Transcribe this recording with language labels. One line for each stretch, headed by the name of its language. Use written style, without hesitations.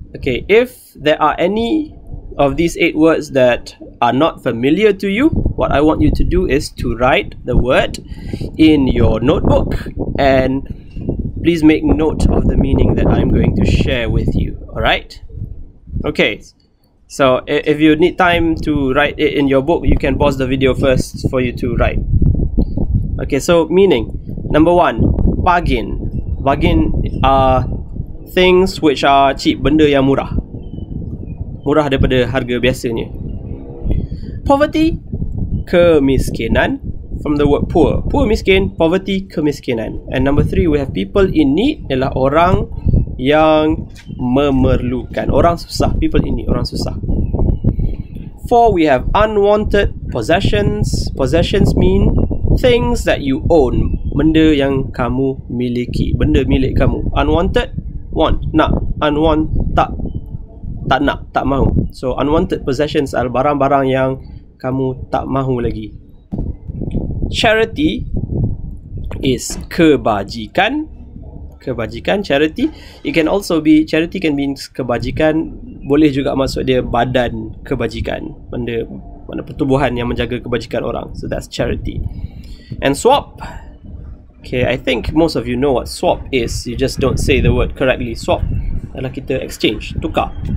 English: Okay, if there are any of these 8 words that are not familiar to you, what I want you to do is to write the word in your notebook, and please make note of the meaning that I'm going to share with you. Alright? Okay. So, if you need time to write it in your book, you can pause the video first for you to write. Okay, so meaning. Number 1, bargain. Bargain are things which are cheap,
Malay: benda yang murah. Murah daripada harga biasanya.
English: Poverty,
Malay: kemiskinan.
English: From the word poor. Poor, miskin, poverty, kemiskinan. And number 3, we have people in need,
Malay: ialah orang yang memerlukan. Orang susah. People ini orang susah.
English: 4, we have unwanted possessions. Possessions mean things that you own.
Malay: Benda yang kamu miliki. Benda milik kamu. Unwanted, want, nak. Unwant, tak. Tak nak, tak mahu.
English: So, unwanted possessions
Malay: adalah barang-barang yang kamu tak mahu lagi.
English: Charity is kebajikan.
Malay: Kebajikan, charity.
English: It can also be, charity can mean kebajikan.
Malay: Boleh juga maksud dia badan kebajikan. Benda, mana pertubuhan yang menjaga kebajikan orang.
English: So that's charity. And swap, Okay, I think most of you know what swap is. You just don't say the word correctly.
Malay: Swap adalah kita exchange, tukar.